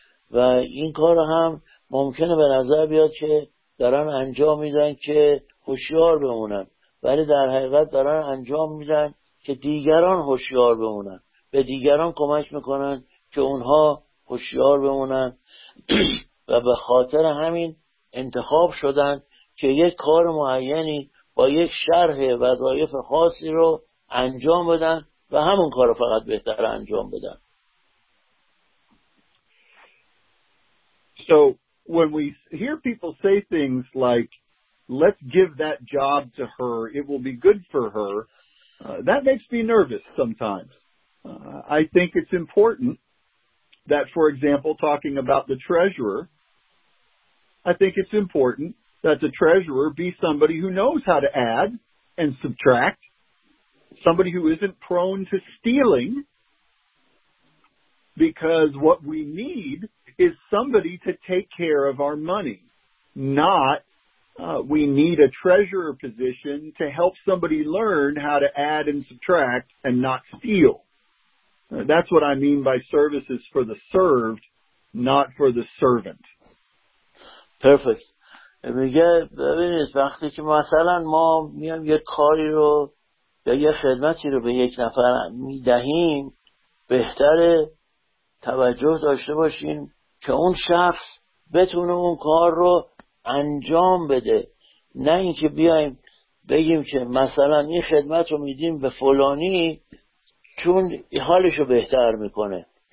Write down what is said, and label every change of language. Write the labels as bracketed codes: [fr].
[fa] و این کار هم ممکنه به نظر بیاد که دارن انجام میدن که هوشیار بمونن، ولی در حقیقت دارن انجام میدن که دیگران هوشیار بمونن، به دیگران کمک میکنن که اونها هوشیار بمونن و به خاطر همین انتخاب شدن که یک کار معینی با یک شرح وظایف خاصی رو انجام بدن و همون کار رو فقط بهتر انجام بدن. [en] So when we hear people say things like, let's give that job to her, it will be good for her, that makes me nervous sometimes. I think it's important that, for example, talking about the treasurer, I think it's important that the treasurer be somebody who knows how to add and subtract, somebody who isn't prone to stealing, because what we need is somebody to take care of our money, not we need a treasurer position to help somebody learn how to add and subtract and not steal. That's what I mean by services for the served, not for the servant. Perfect. [fa] میگه ببینید، وقتی که مثلا ما میام یه کاری رو یا یه خدمتی رو به یک نفر میدهیم، بهتره توجه داشته باشیم که اون شخص بتونه اون کار رو انجام بده، نه اینکه بیایم بگیم که مثلا این خدمت رو میدیم به فلانی چون حالش رو بهتر میکنه.